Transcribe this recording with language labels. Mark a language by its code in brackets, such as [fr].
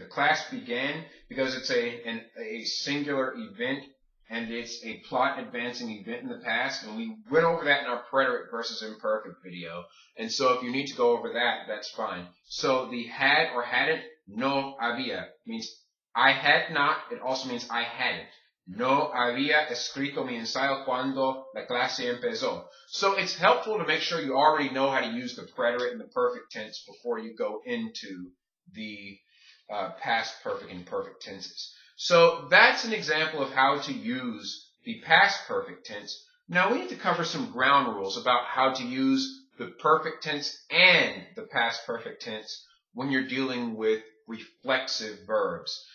[en] The class began because it's a singular event, and it's a plot advancing event in the past, and we went over that in our preterite versus imperfect video. And so if you need to go over that, that's fine. So the had or hadn't, [es] no había, [en] means I had not. It also means I hadn't. [es] No había escrito mi ensayo cuando la clase empezó. [en] So it's helpful to make sure you already know how to use the preterite and the perfect tense before you go into the past perfect and perfect tenses. So that's an example of how to use the past perfect tense. Now we need to cover some ground rules about how to use the perfect tense and the past perfect tense when you're dealing with reflexive verbs.